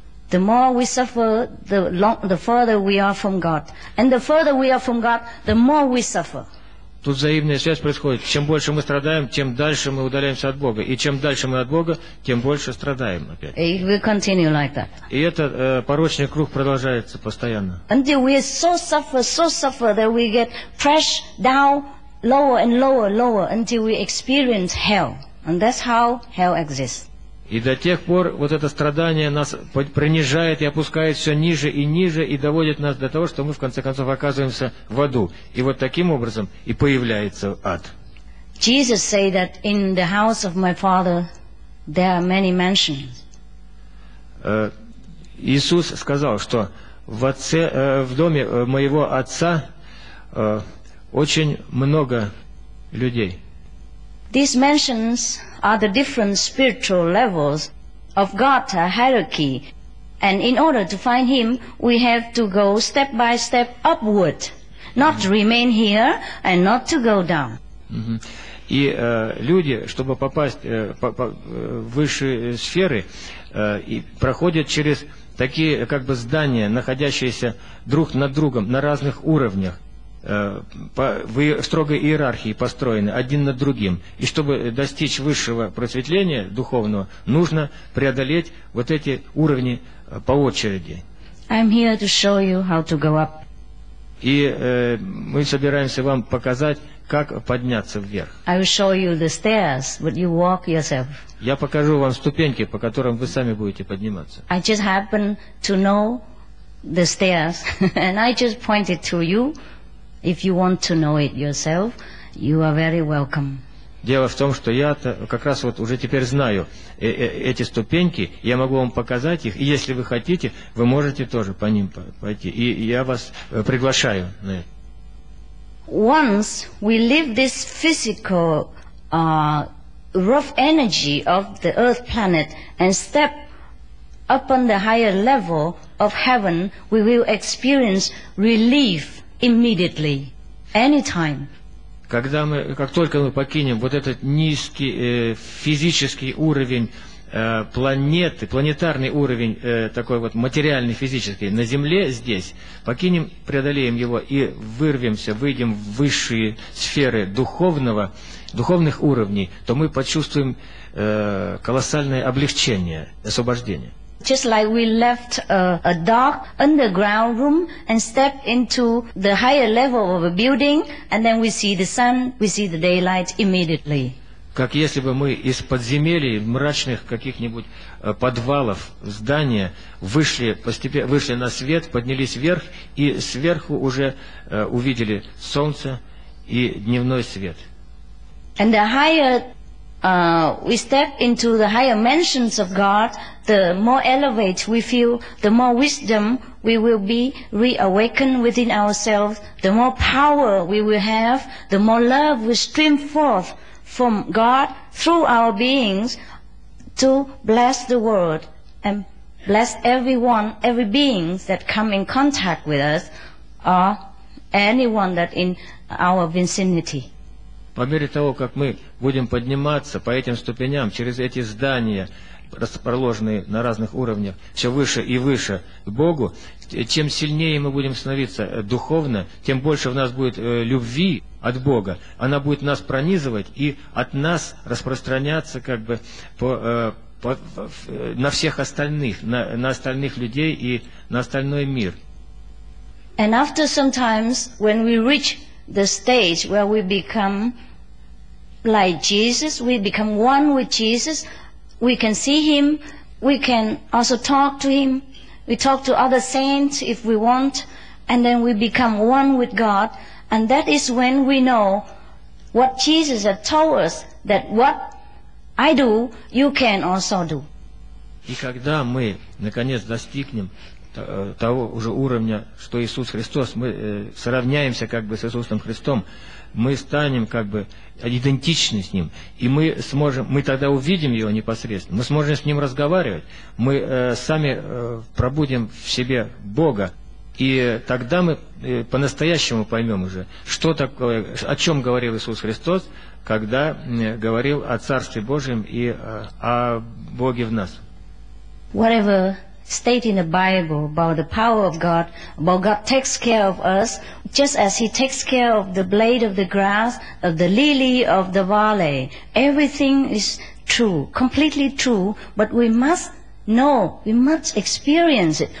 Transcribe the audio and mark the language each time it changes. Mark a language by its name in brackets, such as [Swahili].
[English] The more we suffer, the further we are from God, and the further we are from God, the more we suffer. [Russian] Тут взаимная связь происходит. Чем больше мы страдаем, тем дальше мы удаляемся от Бога. И чем дальше мы от Бога, тем больше страдаем опять. [English] It will continue like that. [Russian] И этот порочный круг продолжается постоянно. [English] Until we so suffer that we get pressed down lower and lower until we experience hell. And that's how hell exists. [Russian] И до тех пор вот это страдание нас принижает и опускает все ниже и ниже и доводит нас до того, что мы в конце концов оказываемся в аду. И вот таким образом и появляется ад. [English] Jesus said that in the house of my Father there are many mansions. [Russian] Иисус сказал, что в отце, в доме моего отца очень много людей. [English] These mansions are the different spiritual levels of God hierarchy, and in order to find Him, we have to go step by step upward, not mm-hmm. remain here and not to go down. Mm-hmm. [Russian] И люди, чтобы попасть в высшие сферы, и проходят через такие как бы здания, находящиеся друг над другом на разных уровнях. В строгой иерархии построены один над другим. И чтобы достичь высшего просветления духовного, нужно преодолеть вот эти уровни по очереди. [English] I'm here to show you how to go up. [Russian] И мы собираемся вам показать, как подняться вверх. [English] I will show you the stairs, but you walk yourself. [Russian] Я покажу вам ступеньки, по которым вы сами будете подниматься. [English] I just happen to know the stairs, and I just pointed to you. If you want to know it yourself, you are very welcome. [Russian] Дело в том, что я как раз вот уже теперь знаю эти ступеньки, я могу вам показать их, и если вы хотите, вы можете тоже по ним пойти. И я вас приглашаю на это. [English] Once we leave this physical rough energy of the earth planet and step up on the higher level of heaven, we will experience relief. Immediately, anytime. [Russian] Когда мы, как только мы покинем вот этот низкий физический уровень планеты, планетарный уровень такой вот материальный, физический, на Земле здесь, покинем, преодолеем его и вырвемся, выйдем в высшие сферы духовного, духовных уровней, то мы почувствуем колоссальное облегчение, освобождение. [English] Just like we left a dark underground room and stepped into the higher level of a building, and then we see the sun, we see the daylight immediately. [Russian] Как если бы мы из подземелий, мрачных каких-нибудь подвалов, здания, вышли на свет, поднялись вверх, и сверху уже увидели солнце и дневной свет. [English] And the higher we step into the higher mansions of God, the more elevated we feel, the more wisdom we will be reawakened within ourselves, the more power we will have, the more love will stream forth from God through our beings to bless the world and bless everyone, every being that come in contact with us or anyone that in our vicinity. [Russian] По мере того, как мы будем подниматься по этим ступеням, через эти здания, расположенные на разных уровнях, все выше и выше к Богу, чем сильнее мы будем становиться духовно, тем больше в нас будет любви от Бога. Она будет нас пронизывать и от нас распространяться как бы на всех остальных, на остальных людей и на остальной мир. [English] And after some time, when we reach the stage where we become like Jesus, we become one with Jesus, we can see Him, we can also talk to Him, we talk to other saints if we want, and then we become one with God, and that is when we know what Jesus had told us, that what I do, you can also do. [Russian] И когда мы, наконец, достигнем того уже уровня, что Иисус Христос, мы сравняемся как бы с Иисусом Христом, мы станем как бы идентичны с Ним, и мы сможем, мы тогда увидим Его непосредственно, мы сможем с Ним разговаривать, мы сами пробудим в себе Бога, и тогда мы по-настоящему поймем уже, что такое, о чем говорил Иисус Христос, когда говорил о Царстве Божьем и о Боге в нас. [English] Whatever stated in the Bible about the power of God, about God takes care of us, just as He takes care of the blade of the grass, of the lily of the valley. Everything is true, completely true, but we must know, we must experience it.